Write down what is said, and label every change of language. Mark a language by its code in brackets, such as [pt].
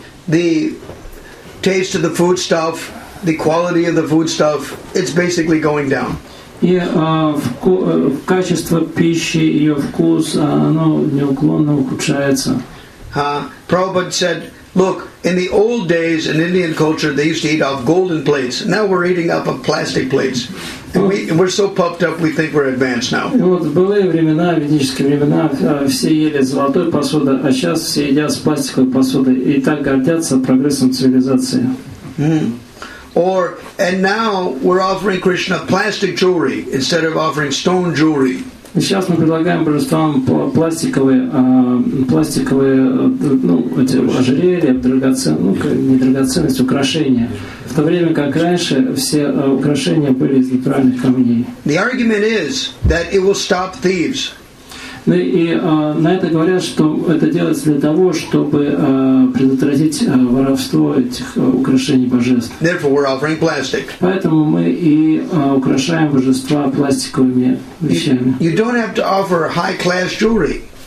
[en] The taste of the food stuff, the quality of the food stuff, it's basically going down. [ru] И качество пищи, ее вкус, оно неуклонно ухудшается. [en] Prabhupada said, look, in the old days in Indian culture, they used to eat off golden plates. Now we're eating off of plastic plates. And we're so puffed up, we think we're advanced now. [ru] Вот, были времена, ведические времена, все ели золотой посуды, а сейчас все едят с пластиковой посуды. И так гордятся прогрессом цивилизации. [en] Or, and now we're offering Krishna plastic jewelry instead of offering stone jewelry. [ru] Сейчас мы предлагаем божествам пластиковые ожерелья, драгоценность, украшения. В то время как раньше все украшения были из натуральных камней. [en] The argument is that it will stop thieves. [ru] Ну и на это говорят, что это делается для того, чтобы предотвратить воровство этих украшений божеств. [en] Therefore, we're offering plastic. [ru] Поэтому мы и украшаем божества пластиковыми вещами. [en] You don't have to offer high-class jewelry.